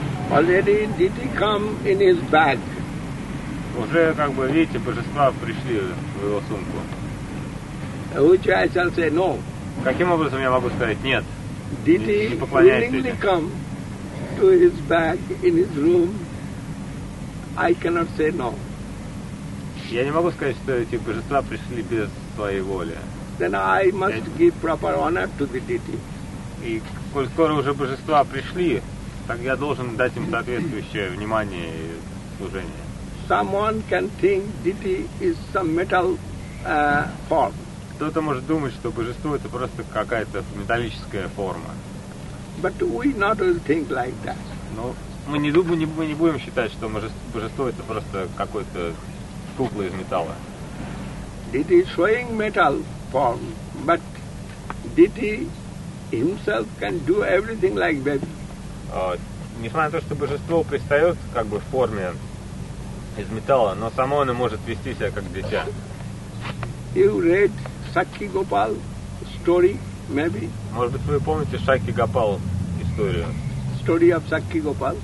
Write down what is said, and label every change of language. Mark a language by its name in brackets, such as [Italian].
[English] Already deity come in his bag. [Russian] Уже, как бы, видите, божества пришли в его сумку. [English] Which I shall say no. [Russian] Каким образом я могу сказать нет? [English] Deity willingly come to his bag in his room. I cannot say no. [Russian] Я не могу сказать, что эти божества пришли без твоей воли. [English] Then I must give proper honor to the deity. [Russian] И коль скоро уже божества пришли, так я должен дать им соответствующее внимание и служение. [English] Someone can think deity is some metal form. [Russian] Кто-то может думать, что божество это просто какая-то металлическая форма. [English] But we not will think like that. [Russian] Но мы не будем считать, что божество это просто какой-то кукла из металла. [English] Deity is showing metal form, but deity himself can do everything like baby. [Russian] Несмотря на то, что божество предстает как бы в форме из металла, но само оно может вести себя как дитя. [English] You read Шакхи Гопал story, maybe? [Russian] Может быть, вы помните Шакхи Гопал историю? [English] Story of Шакхи Гопал?